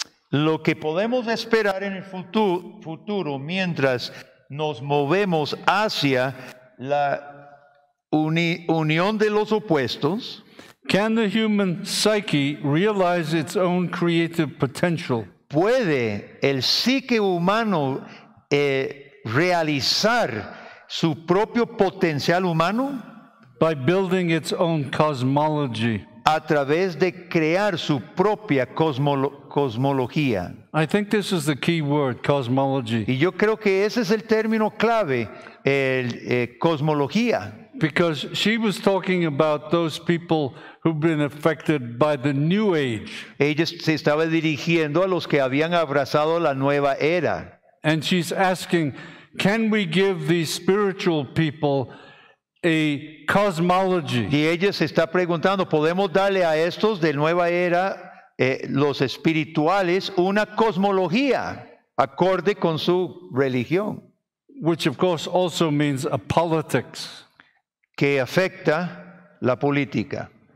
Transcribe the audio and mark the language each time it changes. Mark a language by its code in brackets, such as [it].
[es] Lo que podemos esperar en el futuro mientras nos movemos hacia la unión de los opuestos. [en] Can the human psyche realize its own creative potential? [es] ¿Puede el psique humano realizar su propio potencial humano? [en] By building its own cosmology. [es] A través de crear su propia cosmología. [en] I think this is the key word, cosmology. [es] Y yo creo que ese es el término clave, cosmología. [en] Because she was talking about those people who've been affected by the new age. [es] Ella se estaba dirigiendo a los que habían abrazado la nueva era. [en] And she's asking, can we give these spiritual people a cosmology? [es] Y ella se está preguntando, ¿podemos darle a estos de nueva era, los espirituales, una cosmología acorde con su religión? [en] Which of course also means a politics. [es] Que afecta la política.